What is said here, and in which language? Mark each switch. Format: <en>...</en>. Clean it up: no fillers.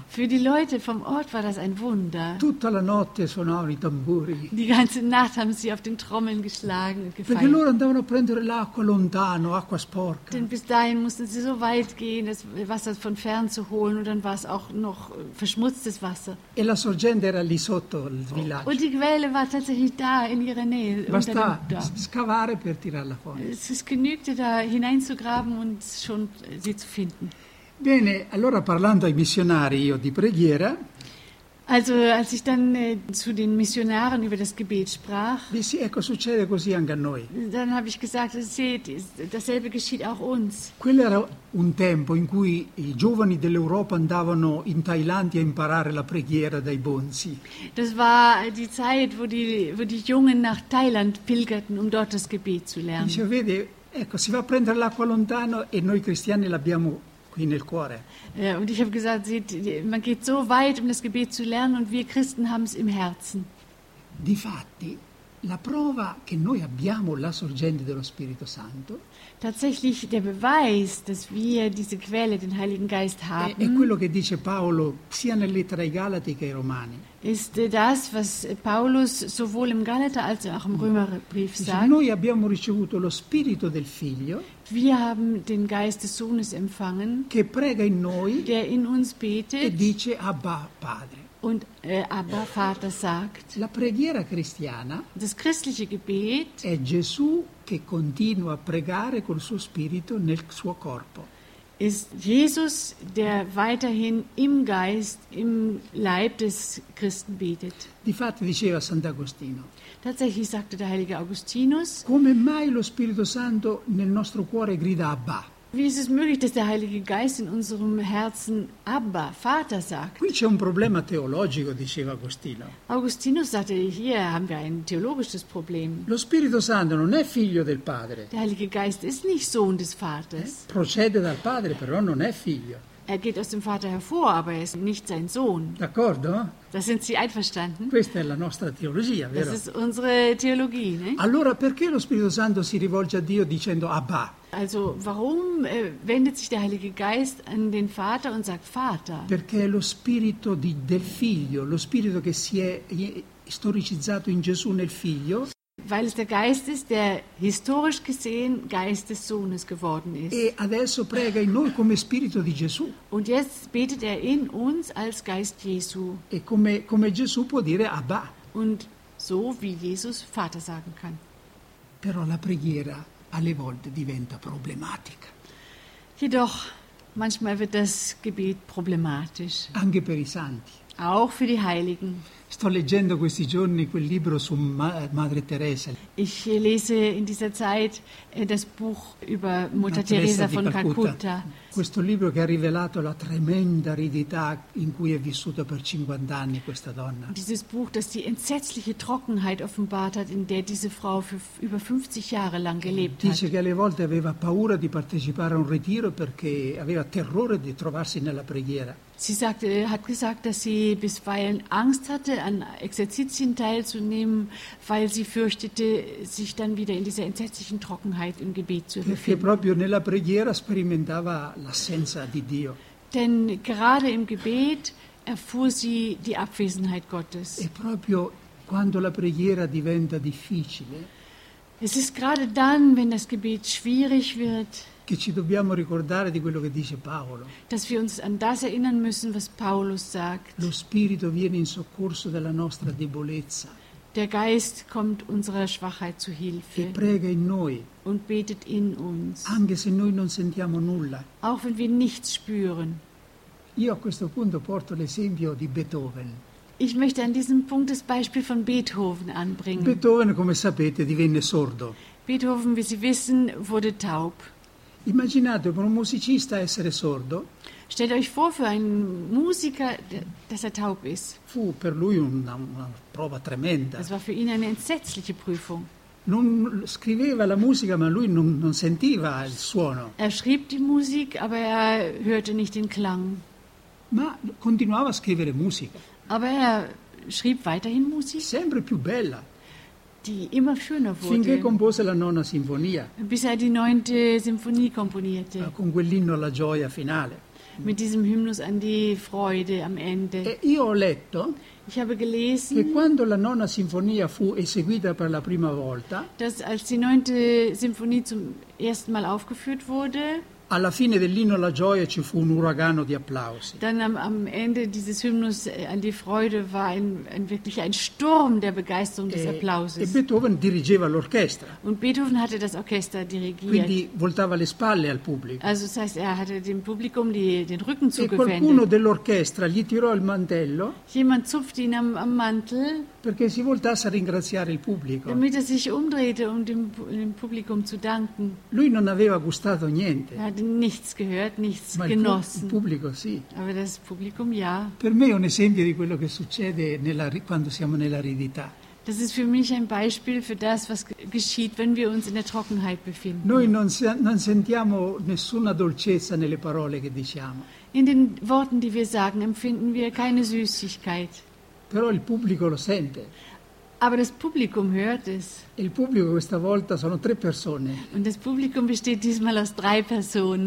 <de>Für die Leute vom Ort war das ein Wunder.</de> <it>Tutta la notte suonavano i tamburi.</it> <de>Die ganze Nacht haben sie auf den Trommeln geschlagen und gefeiert.</de> <it>Perché loro andavano a prendere l'acqua lontano, acqua sporca.</it> <de>Denn bis dahin mussten sie so weit gehen, das Wasser von fern zu holen, und dann war es auch noch verschmutztes Wasser.</de> <it>E la sorgente era lì sotto il villaggio.</it> <de>Und die Quelle war tatsächlich da in ihrer Nähe.</de> <it>Basta scavare per tirarla fuori.</it> <de>Es genügte, da hineinzugraben und schon sie zu finden.</de> <it>Bene, allora parlando ai missionari io di preghiera.</it> <de>Also, als ich dann zu den Missionaren über das Gebet sprach,</de> <it>disse, ecco, succede così anche a noi.</it> <de>Dann habe ich gesagt, seht, dasselbe geschieht auch uns.</de> <it>Quello era un tempo in cui i giovani dell'Europa andavano in Thailandia a imparare la preghiera dai Bonzi.</it> <de>Das war die Zeit, wo die Jungen nach Thailand pilgerten, um dort das Gebet zu lernen.</de> <it>Dice, vede, ecco, si va a prendere l'acqua lontano e noi cristiani l'abbiamo qui nel cuore.</it> <de>Und ich habe gesagt, man geht so weit, um das Gebet zu lernen, und wir Christen haben es im Herzen.</de> <it>Difatti, La prova che noi abbiamo la sorgente dello Spirito Santo.</it> <de>Tatsächlich der Beweis, dass wir diese Quelle, den Heiligen Geist haben.</de> <it>È quello che dice Paolo sia nelle lettere ai Galati che ai Romani.</it> <de>Ist das, was Paulus sowohl im Galater als auch im Römerbrief sagt.</de> <it>Noi abbiamo ricevuto lo Spirito del Figlio.</it> <de>Wir haben den Geist des Sohnes empfangen.</de> <it>Che prega in noi.</it> <de>Der in uns betet.</de> <it>E dice Abba Padre.</it> <de>Und Abba Vater sagt.</de> <it>La preghiera cristiana.</it> <de>Das christliche Gebet.</de> <it>È Gesù che continua a pregare col suo spirito nel suo corpo.</it> <de>Ist Jesus, der weiterhin im Geist, im Leib des Christen betet.</de> <it>Difatti diceva Sant'Agostino.</it> <de>Tatsächlich sagte der heilige Augustinus.</de> <it>Come mai lo Spirito Santo nel nostro cuore grida Abba?</it> <de>Wie ist es möglich, dass der Heilige Geist in unserem Herzen Abba, Vater sagt?</de> <it>Qui c'è un problema teologico, diceva Agostino.</it> <de>Augustinus sagte, hier haben wir ein theologisches Problem.</de> <it>Lo Spirito Santo non è figlio del Padre.</it> <de>Der Heilige Geist ist nicht Sohn des Vaters.</de> <it>Procede dal Padre, però non è figlio.</it> <de>Er geht aus dem Vater hervor, aber er ist nicht sein Sohn.</de> <it>D'accordo?</it> <de>Da sind Sie einverstanden?</de> <it>Questa è la nostra teologia, vero?</it> <de>Das ist unsere Theologie, ne?</de> <it>Allora perché lo Spirito Santo si rivolge a Dio dicendo Abba?</it> <de>Also, warum wendet sich der Heilige Geist an den Vater und sagt Vater?</de> <it>Perché è lo spirito del figlio, lo spirito che si è storicizzato in Gesù nel figlio.</it> <de>Weil es der Geist ist, der historisch gesehen Geist des Sohnes geworden ist.</de> <it>E adesso prega in noi come spirito di Gesù.</it> <de>Und jetzt betet er in uns als Geist Jesu.</de> <it>E come Gesù può dire Abba.</it> <de>Und so wie Jesus Vater sagen kann.</de> <it>Però la preghiera alle volte diventa problematica.</it> <de>Jedoch, manchmal wird das Gebet problematisch.</de> <it>Anche per i santi.</it> <de>Auch für die Heiligen.</de> <it>Sto leggendo questi giorni quel libro su Madre Teresa.</it> <de>Ich lese in dieser Zeit das Buch über Mutter Teresa von Calcutta.</de> <it>Questo libro che ha rivelato la tremenda aridità in cui è vissuta per 50 anni questa donna.</it> <de>Dieses Buch, das die entsetzliche Trockenheit offenbart hat, in der diese Frau für über 50 Jahre lang gelebt hat.</de> <it>Dice che alle volte aveva paura di partecipare a un ritiro perché aveva terrore di trovarsi nella preghiera.</it> <de>Sie sagte, hat gesagt, dass sie bisweilen Angst hatte, an Exerzitien teilzunehmen, weil sie fürchtete, sich dann wieder in dieser entsetzlichen Trockenheit im Gebet zu befinden.</de> <it>Perché proprio nella preghiera sperimentava l'assenza di Dio.</it> <de>Denn gerade im Gebet erfuhr sie die Abwesenheit Gottes.</de> <it>E proprio quando la preghiera diventa difficile.</it> <de>Es ist gerade dann, wenn das Gebet schwierig wird.</de> <it>Che ci dobbiamo ricordare di quello che dice Paolo.</it> <de>Dass wir uns an das erinnern müssen, was Paulus sagt.</de> <it>Lo spirito viene in soccorso della nostra debolezza.</it> <de>Der Geist kommt unserer Schwachheit zu Hilfe.</de> <it>E prega in noi.</it> <de>Und betet in uns.</de> <it>Anche se noi non sentiamo nulla.</it> <de>Auch wenn wir nichts spüren.</de> <it>Io a questo punto porto l'esempio di Beethoven.</it> <de>Ich möchte an diesem Punkt das Beispiel von Beethoven anbringen.</de> <it>Beethoven, come sapete, divenne sordo.</it> <de>Beethoven, wie Sie wissen, wurde taub.</de> <it>Immaginate per un musicista essere sordo.</it> <de>Stellt euch vor für einen Musiker, dass er taub ist.</de> <it>Fu per lui una prova tremenda.</it> <de>Es war für ihn eine entsetzliche Prüfung.</de> <it>Non scriveva la musica, ma lui non sentiva il suono.</it> <de>Er schrieb die Musik, aber er hörte nicht den Klang.</de> <it>Ma continuava a scrivere musica.</it> <de>Aber er schrieb weiterhin Musik.</de> <it>Sempre più bella.</it> <de>Die immer schöner wurde.</de> <it>Finché compose la nona sinfonia.</it> <de>Bis er die neunte Sinfonie komponierte.</de> <it>Con quell'inno alla gioia finale.</it> <de>Mit diesem Hymnus an die Freude am Ende.</de> <it>E io ho letto.</it> <de>Ich habe gelesen.</de> <it>Che quando la nona sinfonia fu eseguita per la prima volta.</it> <de>Dass als die neunte Sinfonie zum ersten Mal aufgeführt wurde.</de> <it>Alla fine dell'inno alla gioia ci fu un uragano di applausi.</it> <de>Dann am Ende dieses Hymnus an die Freude war ein wirklich Sturm der Begeisterung des Applauses.</de> <it>E Beethoven dirigeva l'orchestra.</it> <de>Und Beethoven hatte das Orchester dirigiert.</de> <it>Quindi voltava le spalle al pubblico.</it> <de>Also das heißt, er hatte dem Publikum den Rücken zugewendet.</de> <it>E qualcuno dell'orchestra gli tirò il mantello.</it> <de>Jemand zupfte ihn am Mantel.</de> <it>Perché si voltasse a ringraziare il pubblico.</it> <de>Damit er sich umdrehte, um dem Publikum zu danken.</de> <it>Lui non aveva gustato niente.</it> <de>Er hatte nichts gehört, nichts</de> <it>Ma</it> <de>genossen.</de> <it>Il pubblico sì.</it> <de>Aber das Publikum ja.</de> <it>Per me è un esempio di quello che succede quando siamo nell'aridità.</it> <de>Das ist für mich ein Beispiel für das, was geschieht, wenn wir uns in der Trockenheit befinden.</de> <it>Noi non sentiamo nessuna dolcezza nelle parole che diciamo.</it> <de>In den Worten, die wir sagen, empfinden wir keine Süßigkeit.</de> <it>Però il pubblico lo sente.</it> <de>Aber das Publikum hört es.</de> <it>Il pubblico questa volta sono tre persone.</it> <de>Und das Publikum besteht diesmal aus drei Personen.</de>